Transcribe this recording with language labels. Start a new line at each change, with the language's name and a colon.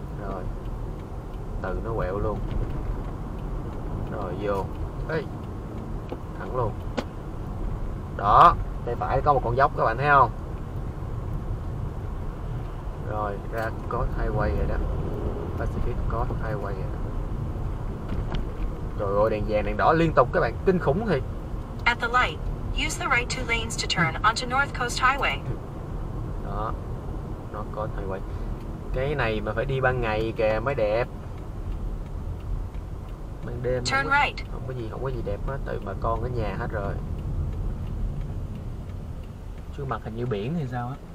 Vietnamese: Rồi. Từ nó quẹo luôn. Rồi vô. Ê. Thẳng luôn. Đó, bên phải có một con dốc các bạn thấy không? Rồi, ra Coast Highway rồi đó. Pacific Coast Highway rồi. Trời ơi, đèn vàng đèn đỏ liên tục các bạn, kinh khủng thiệt.
English: At the light, use the right two lanes to turn onto North Coast Highway.
Vietnamese: Nó có thay quay. Cái này mà phải đi ban ngày kìa mới đẹp. Ban đêm
English: turn
Vietnamese: không,
English: right.
Vietnamese: không có gì đẹp hết, tụi bà con ở nhà hết rồi. Chứ mặt hình như biển thì sao á.